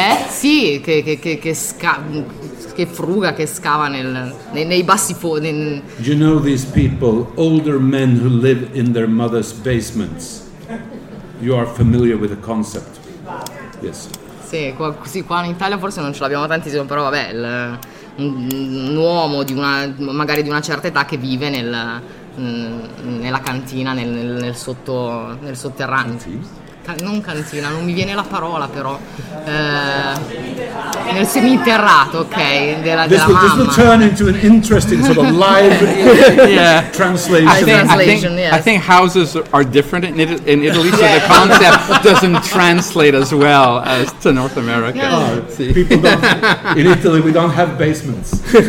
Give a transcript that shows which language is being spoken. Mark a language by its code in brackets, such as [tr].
[it] Sì, che fruga, che scava nei bassi fondi. [en] You know these people, older men who live in their mother's basements. You are familiar with the concept. Yes. [it] Sì, qua in Italia forse non ce l'abbiamo tantissimo, però vabbè, un uomo di una magari di una certa età che vive nella cantina, nel sotterraneo. Sì. Non cantina, non mi viene la parola però. Nel seminterrato, ok, della mamma. [en] This will turn into an interesting sort of live translation. I think houses are different in Italy, so the concept doesn't translate as well as to North America. Yeah. Oh, sì. In Italy we don't have basements.